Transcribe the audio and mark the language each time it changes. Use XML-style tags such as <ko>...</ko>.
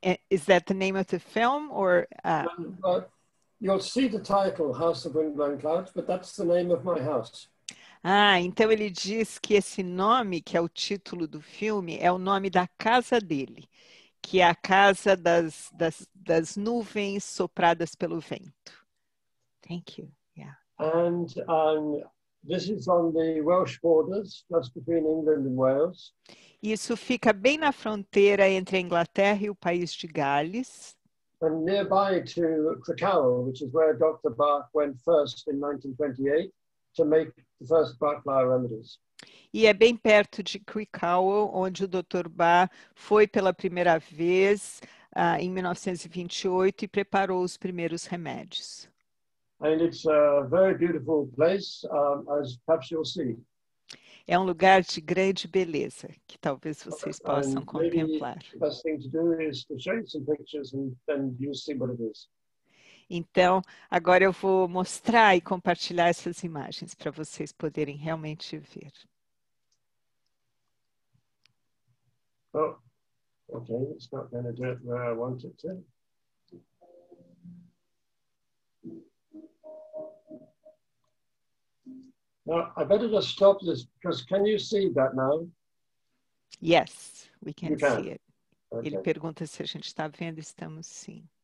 <en>Is that the name of the film or? You'll see the title, House of Windblown Clouds, but that's the name of my house.</en> <pt>Então ele diz que esse nome, que é o título do filme, é o nome da casa dele, que é a casa das nuvens sopradas pelo vento.</pt> <en>Thank you. Yeah. And this is on the Welsh borders, just between England and Wales.</en> <pt>Isso fica bem na fronteira entre a Inglaterra e o país de Gales.</pt> <en>And nearby to Krakow, which is where Dr. Bach went first in 1928 to make the first Bach flower remedies.</en> <pt>E é bem perto de Krakow, onde o Dr. Bach foi pela primeira vez em 1928 e preparou os primeiros remédios.</pt> <en>And it's a very beautiful place, as perhaps you'll see.</en> <pt>É um lugar de grande beleza, que talvez vocês possam contemplar.</pt> <en>The best thing to do is to show you some pictures and then you'll see what it is.</en> <pt>Então, agora eu vou mostrar e compartilhar essas imagens para vocês poderem realmente ver.</pt> <en>Oh, okay, it's not going to do it where I want it to. Now, I better just stop this, because can you see that now? Yes, we can, you can. See it. Okay.</en> <pt>Ele pergunta se a gente está vendo, estamos sim.</pt>